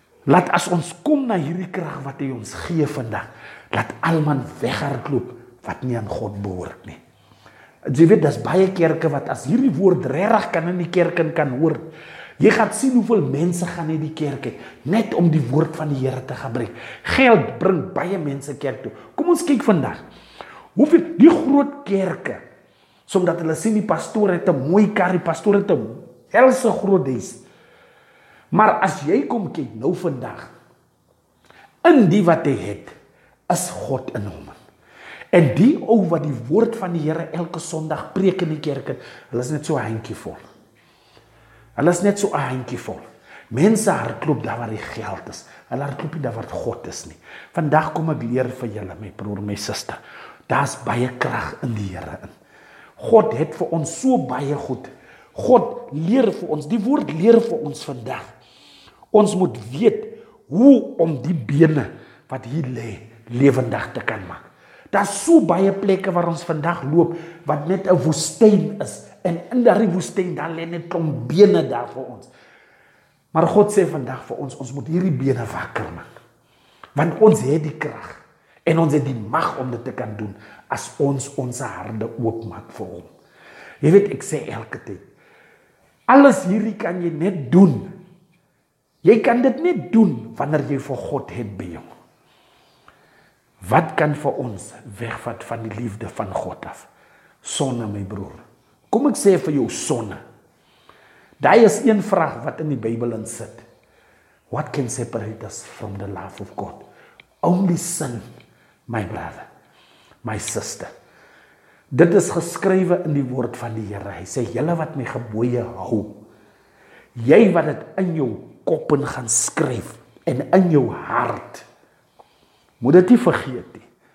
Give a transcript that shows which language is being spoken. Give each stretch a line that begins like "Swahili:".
Afrikaans: Laat as ons kom na hierdie krag wat hy ons gee vandag, laat alman weghardloop wat nie aan God behoort nie. Jy weet, dat is baie kerke wat as hierdie woord regtig kan in die kerk in kan hoor, jy gaat sien hoeveel mense gaan in die kerk het, net om die woord van die Here te gebruik. Geld bring baie mense kerk toe. Kom ons kyk vandag. Hoeveel die groot kerke, omdat hulle sien die pastoor het een mooi kar, die pastoor het een helse groot huis. Maar as jy kom kyk nou vandag, in die wat hy het, is God in hom. En die ou wat die woord van die Here elke Sondag preek in die kerk, hulle is net so handjie vol. Hulle is net so handjie vol. Mense hardloop daar waar die geld is. Hulle hardloop nie daar waar God is nie. Vandag kom ek leer vir julle, my broer, my sister. Daar is baie krag in die Here in. God het vir ons so baie goed. God leer vir ons, die woord leer vir ons vandag. Ons moet weet hoe om die bene wat hier lê lewendig te kan maak. Daar is so baie plekke waar ons vandag loop, wat net een woestijn is. En in die woestijn, daar lê net klomp bene daar vir ons. Maar God sê vandag vir ons, ons moet hierdie bene wakker maak. Want ons het die krag en ons het die mag om dit te kan doen, as ons onze harde oopmaak vir hom. Jy weet, ek sê elke tyd, alles hierdie kan jy net doen. Jy kan dit net doen, wanneer jy vir God het by jou. Wat kan vir ons wegvat van die liefde van God af? Sonde, my broer. Kom ek sê vir jou sonde. Daar is een vraag wat in die Bybel in sit.
English: What can separate us from the love of God? Only sin, my brother, my sister.
Afrikaans: Dit is geskrywe in die woord van die Here. Hy sê, jylle wat my gebooie hou, jy wat het in jou koppen gaan skryf en in jou hart, moet dit nie vergeet nie.